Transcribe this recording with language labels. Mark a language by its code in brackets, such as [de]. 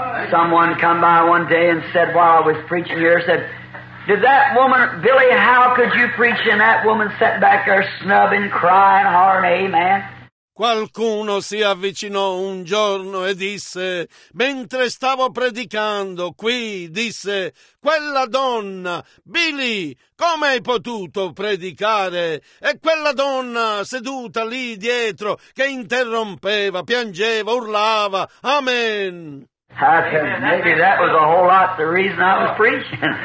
[en] Someone come by one day and said while I was preaching here, said, did that woman, Billy, how could you preach and that woman sat back there snubbing, crying, hollering, amen? [it] Qualcuno si avvicinò un giorno e disse, mentre stavo predicando qui, disse, quella donna, Billy, come hai potuto predicare? E quella donna seduta lì dietro che interrompeva, piangeva, urlava, amen. [en] Maybe that was a whole lot the reason I was preaching.